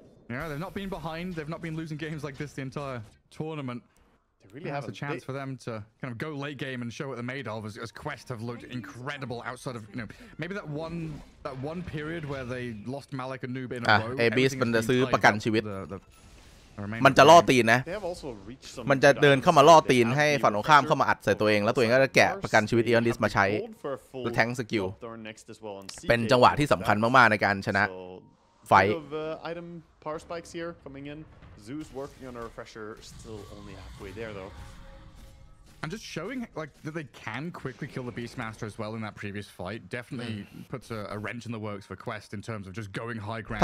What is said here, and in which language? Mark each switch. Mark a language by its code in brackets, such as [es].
[en] Yeah, they've not been behind. They've not been losing games like this the entire tournament. They really have a chance for them to kind of go late game and show what they're made of, as Quest have looked incredible outside of, you know, maybe that one period where they lost Malik and Noob in a row. [th] Abyss มันจะซื้อประกันชีวิตมันจะล่อตีนนะมันจะเดินเข้ามาล่อตีนให้ฝั่งตรงข้ามเข้ามาอัดใส่ตัวเองแล้วตัวเองก็จะแกะประกันชีวิตอีออนลิสมาใช้แทงสกิลเป็นจังหวะที่สำคัญมากๆในการชนะไฟต์ [en] Power Spikes here coming in. Zeus working on a refresher, still only halfway there though. And just showing like that they can quickly kill the Beastmaster as well in that previous fight definitely puts a wrench in the works for Quest in terms of just going high ground.